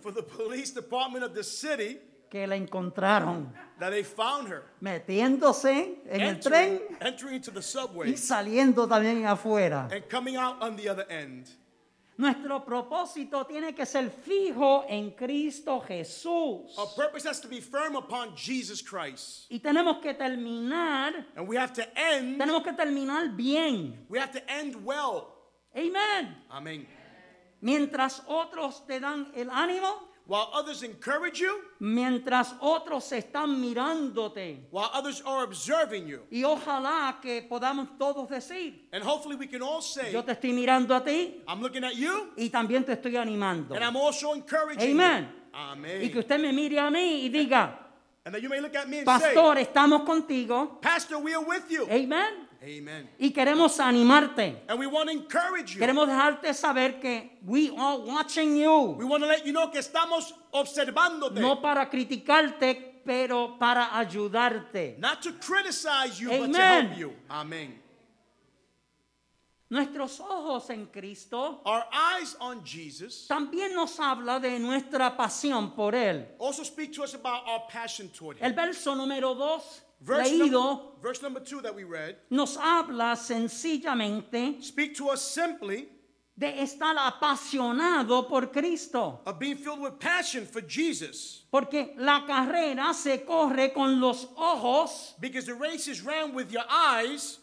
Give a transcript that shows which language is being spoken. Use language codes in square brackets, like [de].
[en] For the police department of the city. [es] Que la encontraron. [en] That they found her. [es] Metiéndose en el tren. [en] Entering into the subway. [es] Y saliendo también afuera. [en] And coming out on the other end. [es] Nuestro propósito tiene que ser fijo en Cristo Jesús. [en] Our purpose has to be firm upon Jesus Christ. [es] Y tenemos que terminar. [en] And we have to end. [es] Tenemos que terminar bien. [en] We have to end well. [es] Amen. [en] Amen. [es] Mientras otros te dan el ánimo. [en] While others encourage you. [es] Mientras otros están mirándote. [en] While others are observing you. [es] Y ojalá que podamos todos decir. [en] And hopefully we can all say. [es] Yo te estoy mirando a ti. [en] I'm looking at you. [es] Y también te estoy animando. [en] And I'm also encouraging [es] Amen. [en] You. Amen. Amen. [es] Y que usted me mire a mí y diga. [en] And that you may look at me and [es] Pastor, [en] say. [es] Pastor, estamos contigo. [en] Pastor, we are with you. [es] Amen. [en] Amen. [es] Y queremos animarte. [en] And we want to encourage you. [es] Queremos dejarte saber que [en] we are watching you. We want to let you know [es] que estamos observándote. No para criticarte, pero para ayudarte. [en] Not to criticize you, Amen. But to help you. Amen. [es] Nuestros ojos en Cristo. [en] Our eyes on Jesus. [es] También nos habla de nuestra pasión por él. [en] Also speak to us about our passion toward him. [es] El verso número 2. [en] Verse number 2 that we read [es] nos habla sencillamente [en] speak to us simply [es] de estar apasionado por Cristo [en] of being filled with passion for Jesus [es] porque la carrera se corre con los ojos [en] because the race is ran with your eyes